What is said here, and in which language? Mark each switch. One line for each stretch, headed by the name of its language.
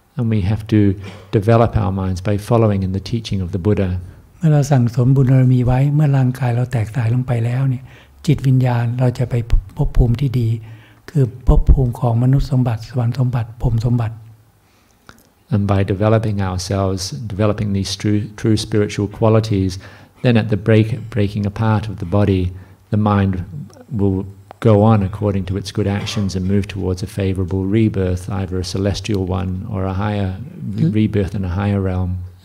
English: we have to develop our minds by following in the teaching of the Buddha.
Thai: เมื่อเราสั่งสมบุญบารมีไว้เมื่อร่างกายเราแตกตายลงไปแล้วเนี่ยจิตวิญญาณเราจะไปพบภูมิที่ดีคือพบภูมิของมนุษย์สมบัติสวรรค์สมบัติพรหมสมบัติ
English: And by developing ourselves, developing these true spiritual qualities, then at the breaking apart of the body, the mind will go on according to its good actions and move towards a favorable rebirth, either a celestial one or a higher rebirth in a higher realm.